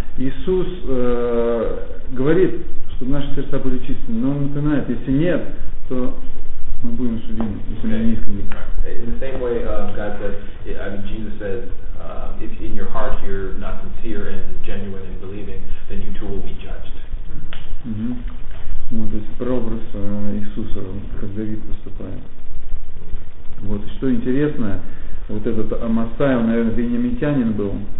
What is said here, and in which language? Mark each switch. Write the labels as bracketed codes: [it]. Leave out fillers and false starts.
[ru] Иисус говорит, чтобы наши сердца были чистыми. Но он напоминает, если нет, то мы будем судимы, если мы не искренни. [en] In the same way, God says, Jesus says, if in your heart you're not sincere and genuine and believing, then you too will be judged. Mm-hmm. [ru] Вот, то есть прообраз Иисуса, как Давид поступает. Вот, что интересно, вот этот Амасай, он, наверное, бениамитянин был.